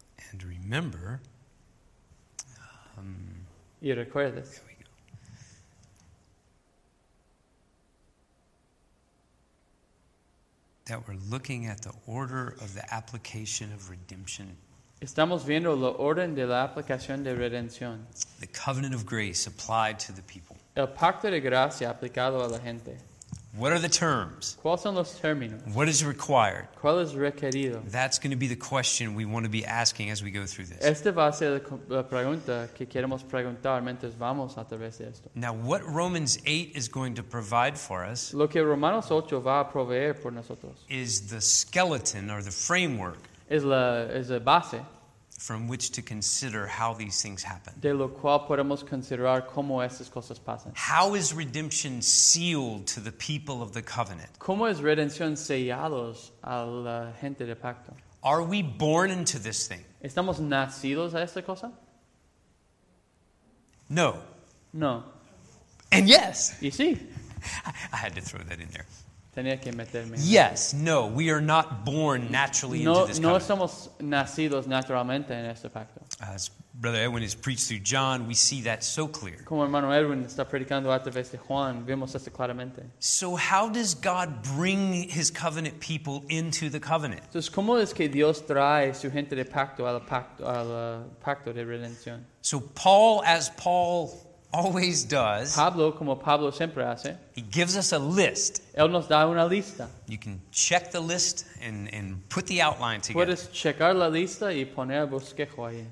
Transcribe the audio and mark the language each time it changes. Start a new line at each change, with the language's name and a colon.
English: And remember.
Spanish: Y recuerdes.
English: That we're looking at the order of the application of redemption.
Spanish: Estamos viendo la orden de la aplicación de redención.
English: The covenant of grace applied to the people.
Spanish: El pacto de gracia aplicado a la gente.
English: What are the terms?
Spanish: ¿Cuáles son los términos?
English: What is required?
Spanish: ¿Cuál es requerido?
English: That's going to be the question we want to be asking as we go through this.
Spanish: Esta va a ser la pregunta que queremos preguntar mientras vamos a través de esto.
English: Now, what Romans 8 is going to provide for us,
Spanish: lo que Romanos 8 va a proveer por nosotros,
English: is the skeleton or the framework,
Spanish: es la base,
English: from which to consider how these things happen.
Spanish: De lo cual podemos considerar cómo estas cosas pasan.
English: How is redemption sealed to the people of the covenant?
Spanish: ¿Cómo es redención sellados a la gente de pacto?
English: Are we born into this thing?
Spanish: ¿Estamos nacidos a esta cosa?
English: No.
Spanish: No.
English: And yes.
Spanish: Y sí.
English: I had to throw that in there.
Spanish: Tenía que meterme.
English: Yes, no, we are not born naturally into this covenant.
Spanish: No somos nacidos naturalmente en este pacto.
English: As Brother Edwin has preached through John, we see that so clear.
Spanish: Como hermano Edwin está predicando a través de Juan, vemos esto claramente.
English: So how does God bring his covenant people into the covenant?
Spanish: Entonces, ¿cómo es que Dios trae su gente de pacto al pacto, al pacto de redención?
English: So Paul, as Paul always does.
Spanish: Pablo, como Pablo siempre hace.
English: He gives us a list.
Spanish: Él nos da una lista.
English: You can check the list and put the outline together.
Spanish: Puedes checar la lista y poner el bosquejo ahí.